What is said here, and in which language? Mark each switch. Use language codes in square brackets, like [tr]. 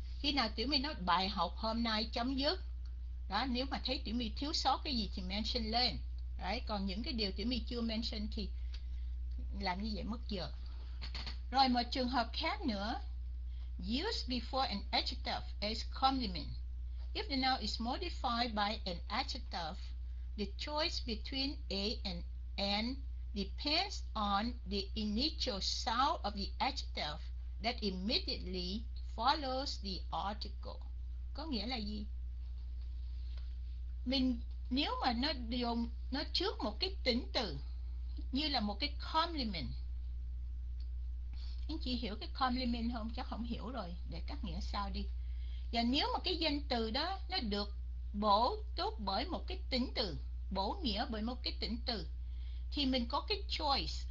[vi] Khi nào Tiểu My nói bài học hôm nay chấm dứt. Đó, nếu mà thấy Tiểu My thiếu sót cái gì thì mention lên. Đấy, còn những cái điều Tiểu My chưa mention thì làm như vậy mất giờ. Rồi, một trường hợp khác nữa. [en] Use before an adjective as complement. If the noun is modified by an adjective, the choice between A and N depends on the initial sound of the adjective that immediately follows the article. [vi] Có nghĩa là gì? Mình nếu mà nó dùng nó trước một cái tính từ như là một cái complement. Anh chị hiểu cái complement không? Chắc không hiểu rồi, để cắt nghĩa sau đi. Và nếu mà cái danh từ đó nó được bổ túc bởi một cái tính từ, bổ nghĩa bởi một cái tính từ thì mình có cái choice,